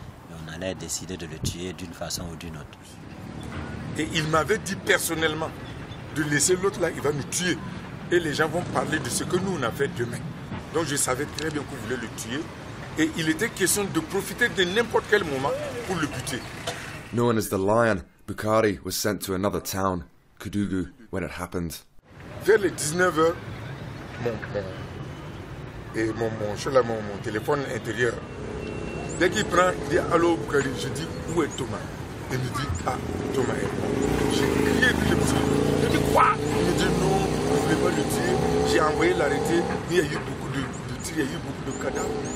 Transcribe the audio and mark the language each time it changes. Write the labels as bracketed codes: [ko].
[fr] Et on allait décider de le tuer d'une façon ou d'une autre. Et il m'avait dit personnellement de laisser l'autre là, il va nous tuer. Et les gens vont parler de ce que nous on a fait demain. Donc je savais très bien qu'on voulait le tuer. Et il était question de profiter de n'importe quel moment pour le buter. [en] Known as the Lion, Bukhari was sent to another town, Kudugu, when it happened. [fr] Vers les 19h, mon téléphone intérieur, dès qu'il prend, il dit « Allô Bukhari », je dis « Où est Thomas ?» Il me dit « Ah, Thomas est mort ». J'ai crié de le tuer. Je dis « Quoi ?» Il me dit « Non, vous ne voulez pas le tuer ». J'ai envoyé l'arrêter, il y a eu beaucoup de tirs, il y a eu beaucoup de cadavres.